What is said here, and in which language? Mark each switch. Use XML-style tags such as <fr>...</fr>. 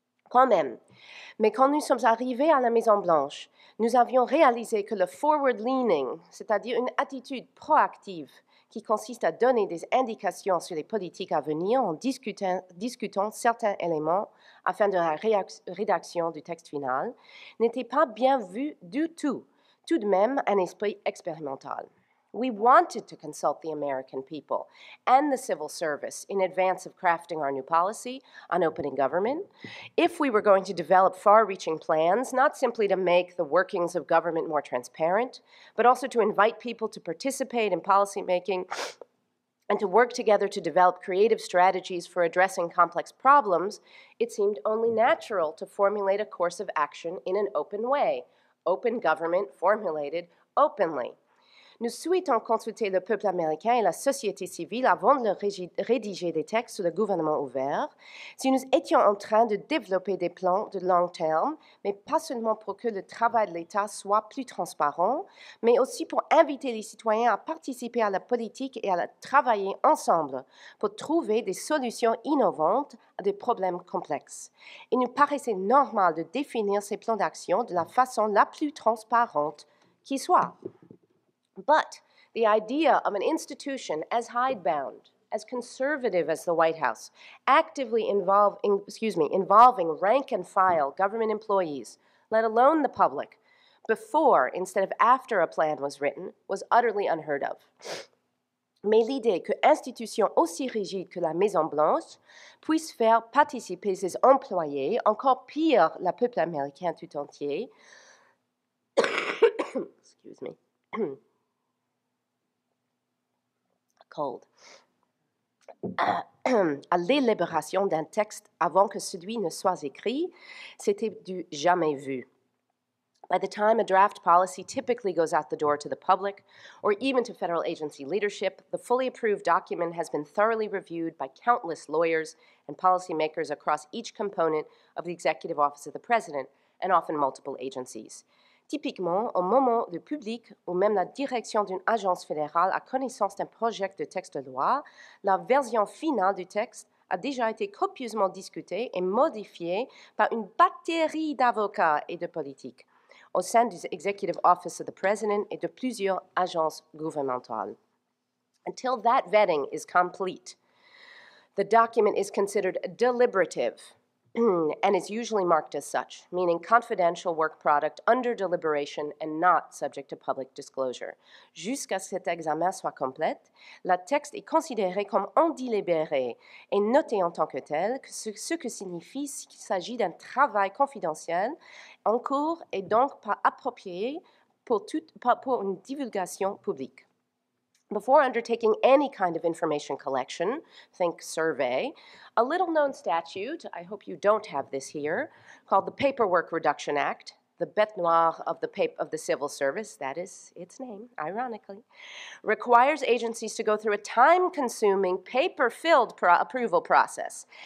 <fr>Quand même, mais quand nous sommes arrivés à la Maison-Blanche, nous avions réalisé que le forward-leaning, c'est-à-dire une attitude proactive, qui consiste à donner des indications sur les politiques à venir en discutant certains éléments afin de la rédaction du texte final, n'était pas bien vu du tout, tout de même un esprit expérimental.</fr> <en>We wanted to consult the American people and the civil service in advance of crafting our new policy on opening government, if we were going to develop far-reaching plans, not simply to make the workings of government more transparent, but also to invite people to participate in policymaking and to work together to develop creative strategies for addressing complex problems, it seemed only natural to formulate a course of action in an open way, open government formulated openly.</en> <fr>Nous souhaitons consulter le peuple américain et la société civile avant de rédiger des textes sur le gouvernement ouvert. Si nous étions en train de développer des plans de long terme, mais pas seulement pour que le travail de l'État soit plus transparent, mais aussi pour inviter les citoyens à participer à la politique et à travailler ensemble pour trouver des solutions innovantes à des problèmes complexes. Il nous paraissait normal de définir ces plans d'action de la façon la plus transparente qui soit.</fr> <en>But the idea of an institution as hidebound, as conservative as the White House, actively involving rank and file government employees, let alone the public, before instead of after a plan was written, was utterly unheard of.</en> <fr>Mais l'idée que institutions aussi rigides que la Maison Blanche puissent faire participer ses employés, encore pire, la peuple américain tout entier,</fr> <en>excuse me.</en> <fr>Cold. À l'élaboration d'un texte avant que celui ne soit écrit, c'était du jamais vu.</fr> <en>By the time a draft policy typically goes out the door to the public, or even to federal agency leadership, the fully approved document has been thoroughly reviewed by countless lawyers and policymakers across each component of the executive office of the president, and often multiple agencies.</en> <fr>Typiquement, au moment le public ou même la direction d'une agence fédérale a connaissance d'un projet de texte de loi, la version finale du texte a déjà été copieusement discutée et modifiée par une batterie d'avocats et de politiques au sein du Executive Office of the President et de plusieurs agences gouvernementales.</fr> <en>Until that vetting is complete, the document is considered deliberative, and is usually marked as such, meaning confidential work product under deliberation and not subject to public disclosure.</en> <fr>Jusqu'à ce que cet examen soit complet, le texte est considéré comme en délibéré et noté en tant que tel, ce que signifie qu'il s'agit d'un travail confidentiel en cours et donc pas approprié pour une divulgation publique.</fr> <en>Before undertaking any kind of information collection, think survey, a little known statute, I hope you don't have this here, called the Paperwork Reduction Act, the bête noire of the civil service, that is its name, ironically, requires agencies to go through a time-consuming, paper-filled approval process.</en>